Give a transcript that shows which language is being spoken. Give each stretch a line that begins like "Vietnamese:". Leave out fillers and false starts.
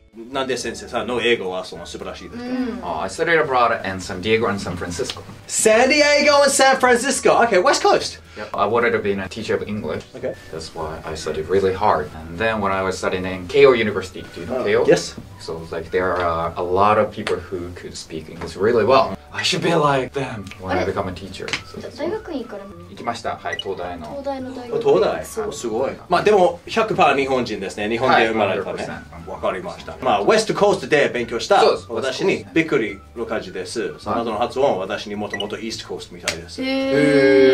Japanese: なんで先生さんの英語はその素晴らしいですか、
English: I studied abroad in San Diego and San Francisco. San Diego and San Francisco! Okay, West Coast! Yep. I wanted to be a teacher of English. Okay. That's why I studied really hard. And then when I was studying in KO University, do you know KO? Yes. So like there are a lot of people who could speak English really well. I should be like them when I become a teacher. So,
Japanese: 大学院から行きました。はい、東大の。東大の大学院。東大。すごい。まあでも 100% 日本人ですね。日本で生まれたね。はい、わかりました。まあ、ウェストコーストで勉強した私にびっくりの感じです。その後の発音は私にもともとイーストコーストみたいです。へぇー。